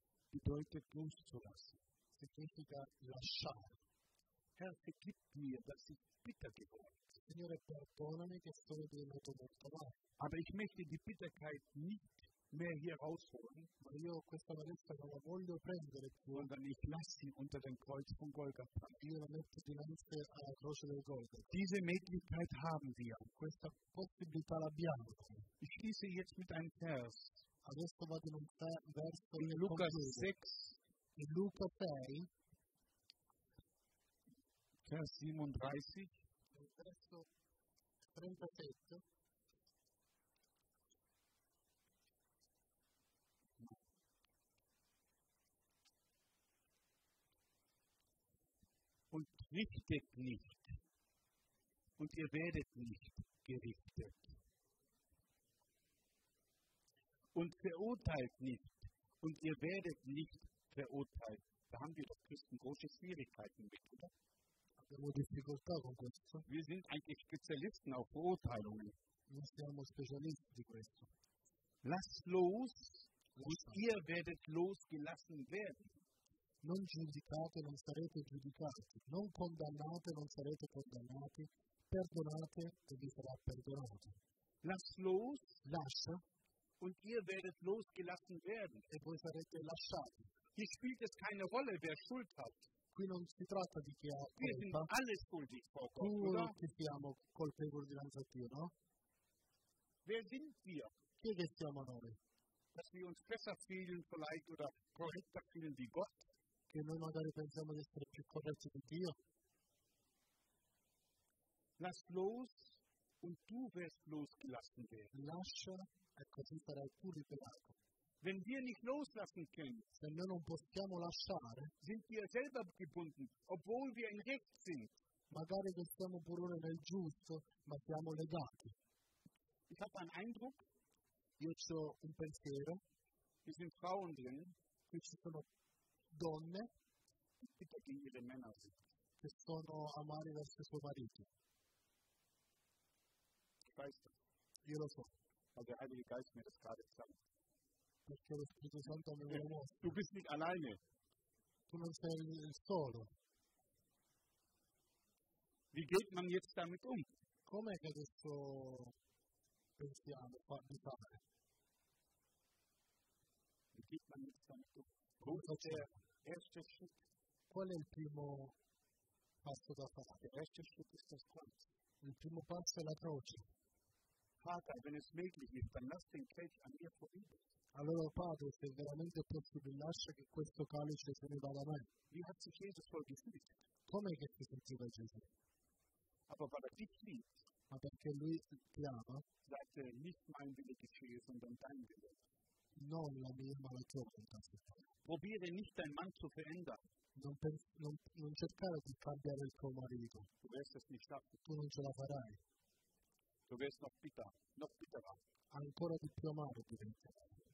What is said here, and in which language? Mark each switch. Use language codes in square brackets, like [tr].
[de] bedeutet loszulassen, [it] significa lasciare. [de] Herr, vergib mir, dass ich bitter geworden bin. [it] Signore, perdonami che sono diventato molto male. [de] Aber ich möchte die Bitterkeit nicht mehr hier rausholen, [it] ma io questa amarezza non la voglio prendere più, [de] sondern ich lasse sie unter dem Kreuz von Golgatha. [it] Io la metto dinanzi alla croce del Golgatha. [de] Diese Möglichkeit haben wir. [it] Questa possibilità l'abbiamo. [de] Ich schließe jetzt mit einem Vers. [it] Adesso vado in un verso [de] in Lukas 6. [it] In Luca 6. [de] Vers 37. [it] Verso 37. [de] richtet nicht und ihr werdet nicht gerichtet. Und verurteilt nicht und ihr werdet nicht verurteilt. Da haben wir doch Christen große Schwierigkeiten mit, oder? Wir sind eigentlich Spezialisten auf Verurteilungen. Lass los und ihr werdet losgelassen werden. [it] Non giudicate, non sarete giudicati. Non condannate, non sarete condannati. Perdonate e vi sarà perdonato. [de] Lass los, [it] lascia, [de] und ihr werdet losgelassen werden. [it] E voi sarete lasciati. [de] Hier spielt es keine Rolle, wer Schuld hat. [it] Qui non si tratta di chi ha colpa. [de] Wir sind alle schuldig vor Gott, oder? [it] Tutti siamo colpevoli davanti a Dio, no? [de] Wer sind wir? [it] Chi che siamo noi? [de] Dass wir uns besser fühlen, vielleicht, oder korrekter fühlen wie Gott? [it] Che noi magari pensiamo di essere più corretti di Dio. [de] Lass los und du wirst losgelassen werden. [it] Lascia e così sarai tu liberato. [de] Wenn wir nicht loslassen können, [it] se noi non possiamo lasciare, [de] sind wir selber gebunden, obwohl wir in Recht sind. [it] Magari che siamo pure ora nel giusto, ma siamo legati. [de] Ich habe einen Eindruck, [it] io ho un pensiero, [de] wir sind Frauen drin, [it] qui ci sono donne, [de] bitte gegen ihre Männer sind, [it] che sono amare verso suo marito. [de] Ich weiß das. [it] Io lo so. [de] Weil der Heilige Geist mir das gerade sagt. [it] Perché lo Spirito Santo mi vuole mostrare. [de] Tu bist nicht alleine. [it] Tu non sei solo. [de] Wie geht man jetzt damit um? [it] Com'è che adesso pensiamo di fare? [de] Wie geht man jetzt damit um? Come ist der erste Schritt? [it] Qual è il primo passo da fare? [de] Der erste Schritt ist das Kreuz. [it] Il primo passo è la croce. [de] Vater, wenn es möglich ist, dann lass den Kelch an mir vorbei. [it] Allora, Padre, se veramente possibile, lascia che questo calice se ne vada a me. Come che si sentiva Gesù? Ma perché lui ti ama? Non la mia, ma la tua volontà. [de] Probiere nicht dein Mann zu verändern. [it] Non cercare di cambiare il tuo marito. [de] Du wirst es nicht schaffen. [it] Tu non ce la farai. [de] Du wirst noch bitter, noch bitterer. [it] Ancora di più amaro diventerai.